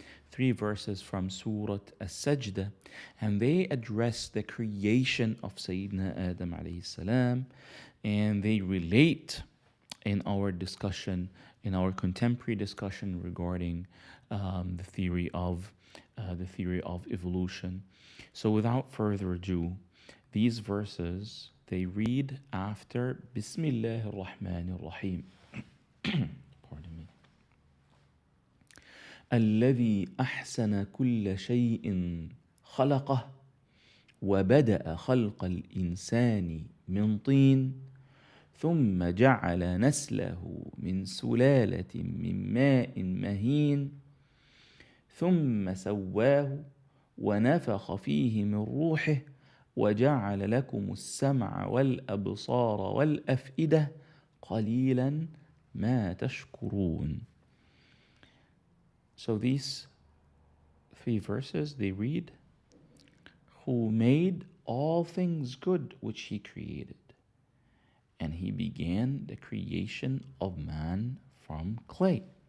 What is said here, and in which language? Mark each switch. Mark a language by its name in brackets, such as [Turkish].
[English] Three verses from Surah Al-Sajdah, and they address the creation of Sayyidina Adam alayhi salam, and they relate in our discussion, in our contemporary discussion regarding the theory of evolution. So without further ado, these verses, they read after Bismillah ar-Rahman ar-Rahim. Pardon me. [Arabic] الذي أحسن كل شيء خلقه وبدأ خلق الإنسان من طين ثم جعل نسله من سلالة من ماء مهين ثم سواه ونفخ فيه من روحه وجعل لكم السمع والأبصار والأفئدة قليلا ما تشكرون. [English] So these three verses, they read, who made all things good which he created, and he began the creation of man from clay.